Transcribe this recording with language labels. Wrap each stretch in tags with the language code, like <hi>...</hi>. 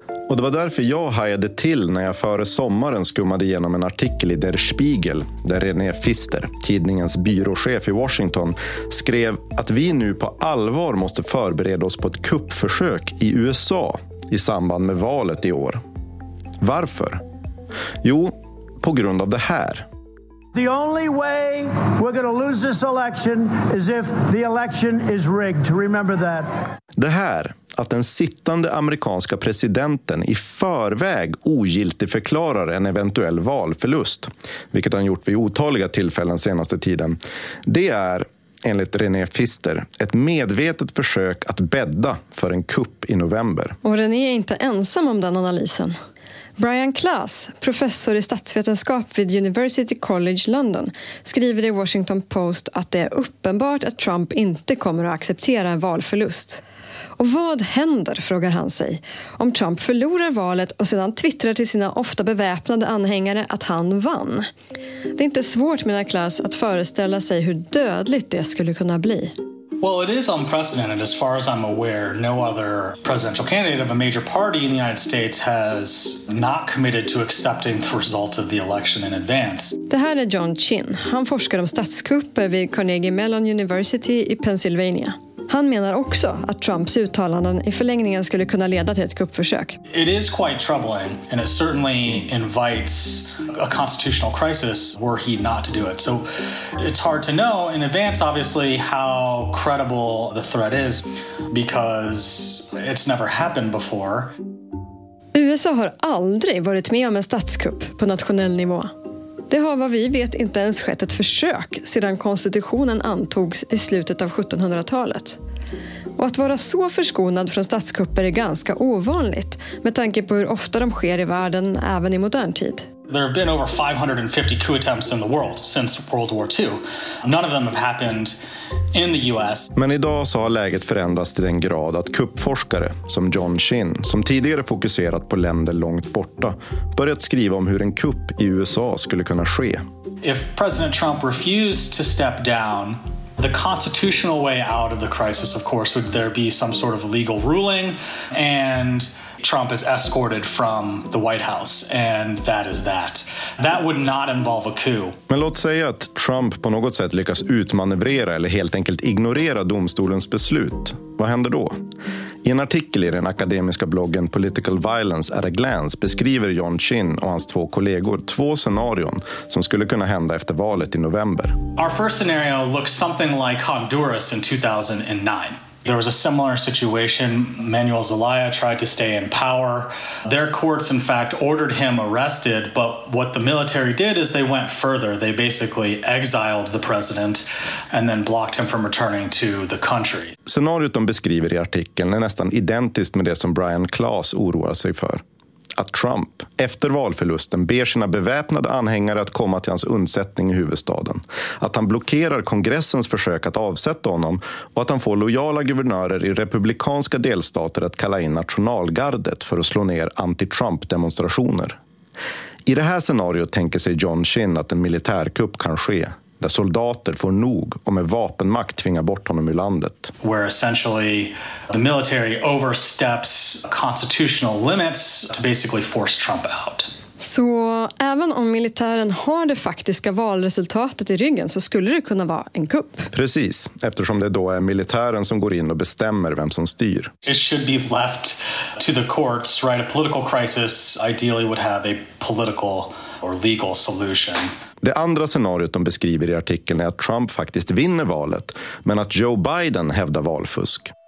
<sv>Och det var därför jag hajade till när jag före sommaren skummade igenom en artikel i Der Spiegel där René Fister, tidningens byråchef i Washington, skrev att vi nu på allvar måste förbereda oss på ett kuppförsök i USA i samband med valet i år. Varför? Jo, på grund av det här.</sv> <en>The only way we're going to lose this election is if the election is rigged. Remember that.</en> <sv>Det här, att den sittande amerikanska presidenten i förväg ogiltigt förklarar en eventuell valförlust, vilket han gjort vid otaliga tillfällen senaste tiden, det är, enligt René Fister, ett medvetet försök att bädda för en kupp i november. Och René är inte ensam om den analysen. Brian Klass, professor i statsvetenskap vid University College London, skriver i Washington Post att det är uppenbart att Trump inte kommer att acceptera en valförlust. Och vad händer, frågar han sig, om Trump förlorar valet och sedan twittrar till sina ofta beväpnade anhängare att han vann? Det är inte svårt, menar Klass, att föreställa sig hur dödligt det skulle kunna bli.</sv> <en>Well, it is unprecedented. As far as I'm aware, no other presidential candidate of a major party in the United States has not committed to accepting the result of the election in advance.</en> <sv>Det här är John Chin. Han forskar om statskupper vid Carnegie Mellon University i Pennsylvania. Han menar också att Trumps uttalanden i förlängningen skulle kunna leda till ett kuppförsök.</sv> <en>It is quite troubling and it certainly invites a constitutional crisis were he not to do it. So it's hard to know in advance obviously how credible the threat is because it's never happened before.</en> <sv>USA har aldrig varit med om en statskupp på nationell nivå. Det har vad vi vet inte ens skett ett försök sedan konstitutionen antogs i slutet av 1700-talet. Och att vara så förskonad från statskupper är ganska ovanligt med tanke på hur ofta de sker i världen även i modern tid.</sv> <en>There have been over 550 coup attempts in the world since World War II. None of them have happened in the US.</en> <sv>Men idag så har läget förändrats till den grad att kuppforskare som John Chin, som tidigare fokuserat på länder långt borta, börjat skriva om hur en kupp i USA skulle kunna ske.</sv> <en>If President Trump refused to step down, the constitutional way out of the crisis, of course, would there be some sort of legal ruling and Trump is escorted from the White House and that is that. That would not involve a coup.</en> <sv>Men låt säga att Trump på något sätt lyckas utmanövrera eller helt enkelt ignorera domstolens beslut. Vad händer då? I en artikel i den akademiska bloggen Political Violence at a Glance beskriver John Chin och hans två kollegor två scenarion som skulle kunna hända efter valet i november.</sv> <en>Our first scenario looks something like Honduras in 2009. There was a similar situation. Manuel Zelaya tried to stay in power. Their courts, in fact, ordered him arrested. But what the military did is they went further. They basically exiled the president and then blocked him from returning to the country.</en> <sv>Scenariot de beskriver i artikeln är nästan identiskt med det som Brian Klass oroar sig för. Att Trump, efter valförlusten, ber sina beväpnade anhängare att komma till hans undsättning i huvudstaden. Att han blockerar kongressens försök att avsätta honom och att han får lojala guvernörer i republikanska delstater att kalla in nationalgardet för att slå ner anti-Trump-demonstrationer. I det här scenariot tänker sig John Chin att en militärkupp kan ske, där soldater får nog och med vapenmakt tvingar bort honom ur landet.</sv> <en>Where essentially the military oversteps constitutional limits to basically force Trump out.</en> <sv>Så även om militären har det faktiska valresultatet i ryggen så skulle det kunna vara en kupp. Precis, eftersom det då är militären som går in och bestämmer vem som styr.</sv> <en>It should be left to the courts, right? A political crisis ideally would have a political or legal solution.</en> <sv>Det andra scenariot de beskriver i artikeln är att Trump faktiskt vinner valet, men att Joe Biden hävdar valfusk.</sv>